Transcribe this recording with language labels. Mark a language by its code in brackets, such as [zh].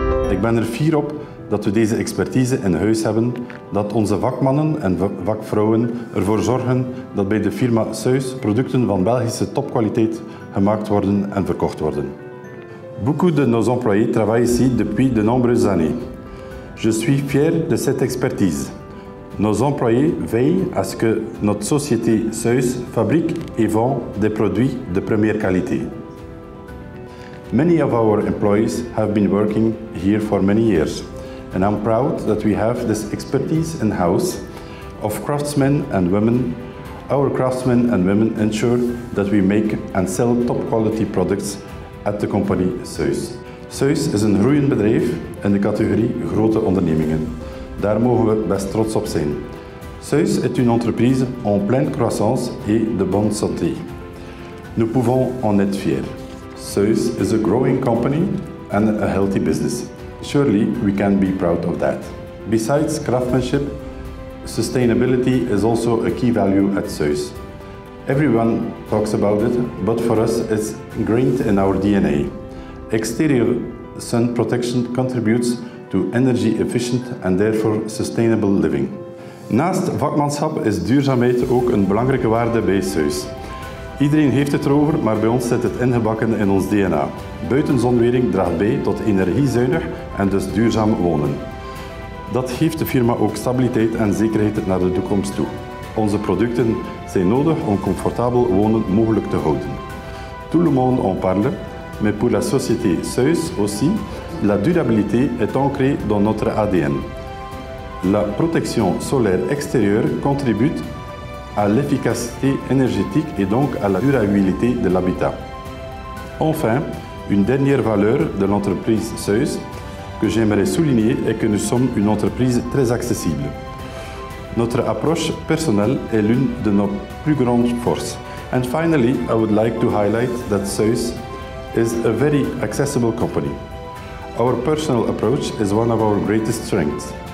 [nl] ik ben er fier op dat we deze expertise in huis hebben, dat onze vakmannen en vakvrouwen ervoor zorgen dat bij de firma Suys producten van Belgische topkwaliteit gemaakt worden en verkocht worden. [fr] Beaucoup de nos employés travaillent ici depuis de nombreuses années. Je suis fier de cette expertise. Nos employés veillent à ce que notre société Suys fabrique et vend des produits de première qualité. [en] Many of our employees have been working here for many years, and I'm proud that we have this expertise in-house of craftsmen and women. Our craftsmen and women ensure that we make and sell top quality products at the company Suys. [nl] Suys is een groeiend bedrijf in de categorie grote ondernemingen. Daar mogen we best trots op zijn. [fr] Suys est une entreprise en pleine croissance et de bonne santé. Nous pouvons en être fiers. [en] Suys is a growing company and a healthy business. Surely we can be proud of that. Besides craftsmanship, sustainability is also a key value at Suys. Everyone talks about it, but for us it's ingrained in our DNA. Exterior sun protection contributes to energy efficient and therefore sustainable living. [nl] Naast vakmanschap is duurzaamheid ook een belangrijke waarde bij Suys. Iedereen heeft het erover, maar bij ons zit het ingebakken in ons DNA. Buiten zonwering draagt bij tot energiezuinig en dus duurzaam wonen. Dat geeft de firma ook stabiliteit en zekerheid naar de toekomst toe. Onze producten zijn nodig om comfortabel wonen mogelijk te houden. [fr] Tout le monde en parle, mais pour la société Suys aussi, la durabilité est ancrée dans notre ADN. La protection solaire extérieure contribue à l'efficacité énergétique et donc à la durabilité de l'habitat. Enfin, une dernière valeur de l'entreprise Suys que j'aimerais souligner est que nous sommes une entreprise très accessible. Notre approche personnelle est l'une de nos plus grandes forces. [en] And finally, I would like to highlight that Suys is a very accessible company. Our personal approach is one of our greatest strengths.